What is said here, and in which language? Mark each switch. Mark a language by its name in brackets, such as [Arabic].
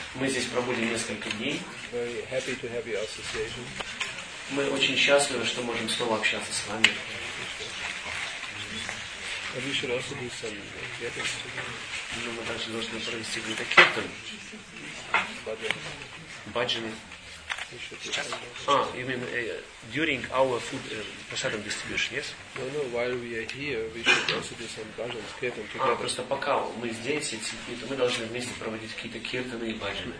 [Russian] Мы здесь пробудем несколько дней. [English] Very happy to have your association. [Russian] Мы очень счастливы, что можем снова общаться с вами. [English] And we should also do some gatherings. [Russian] Ну, мы также должны провести где-то кетан. Баджаны. [English] You mean during our food prasadam distribution, yes? No, while we are here, we should also do some bhajans, kirtan together. [Russian] Просто пока мы здесь, мы должны вместе проводить какие-то кертаны и баджаны.